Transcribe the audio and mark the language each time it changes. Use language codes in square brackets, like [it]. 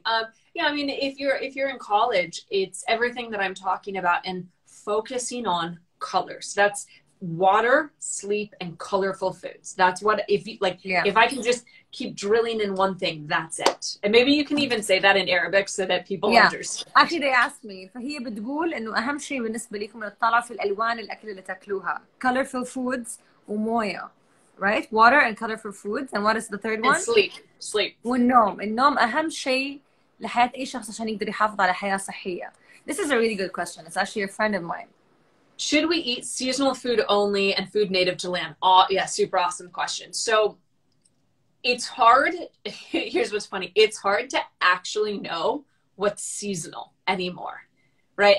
[en] I mean, if you're in college, it's everything that I'm talking about and focusing on colors. That's water, sleep, and colorful foods. That's what if I can just keep drilling in one thing, that's it. And maybe you can even say that in Arabic so that people understand. Actually, they asked me. [ar] فهي بتقول إنه أهم شيء بالنسبة ليكم الطلع في الألوان الأكل اللي تأكلوها. [en] Colorful foods ومويا, right? Water and colorful foods. And what is the third one? And sleep. [ar] والنوم. النوم أهم شيء لحياة أي شخص عشان يقدر يحافظ على حياة صحية. [en] This is a really good question. It's actually a friend of mine. Should we eat seasonal food only and food native to land? Oh, yeah, super awesome question. So it's hard. Here's what's funny. It's hard to actually know what's seasonal anymore, right?